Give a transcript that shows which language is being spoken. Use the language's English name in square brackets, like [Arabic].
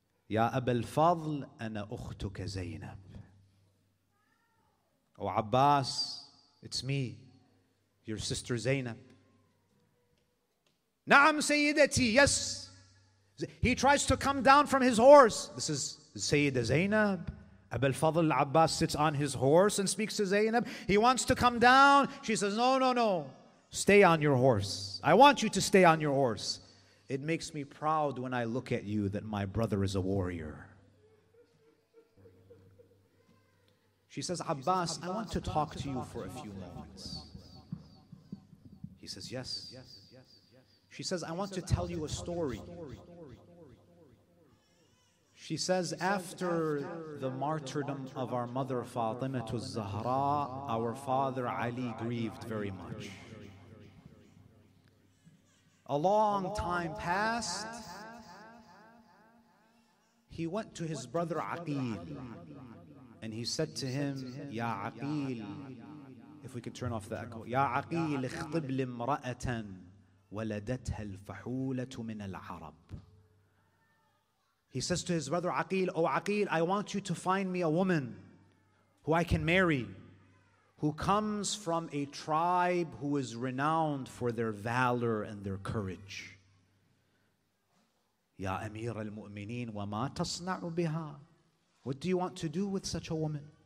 [Arabic] يا أبا الفضل أنا أختك زينب. [English] O Abbas, it's me, your sister Zainab. [Arabic] نعم سيدتي, [English] yes. He tries to come down from his horse. This is Sayyida Zainab. Abul Fadl al-Abbas sits on his horse and speaks to Zainab. He wants to come down. She says, no, no, no. Stay on your horse. I want you to stay on your horse. It makes me proud when I look at you that my brother is a warrior. She says, Abbas, I want to talk to you for a few moments. He says, yes. She says, I want to tell you a story. She says, after the martyrdom of our mother Fatima al-Zahra, our father Ali grieved very much. A long time passed. He went to his brother Aqil, and he said to him, Ya Aqil, if we could turn off the echo. [Arabic] Ya Aqil, اخطب لامرأة ولدتها الفحولة من العرب. [English] He says to his brother Aqil, O Aqil, I want you to find me a woman who I can marry, who comes from a tribe who is renowned for their valor and their courage. [Arabic] Ya Amir al-Mu'mineen, wa ma tasna'u biha? [English] What do you want to do with such a woman?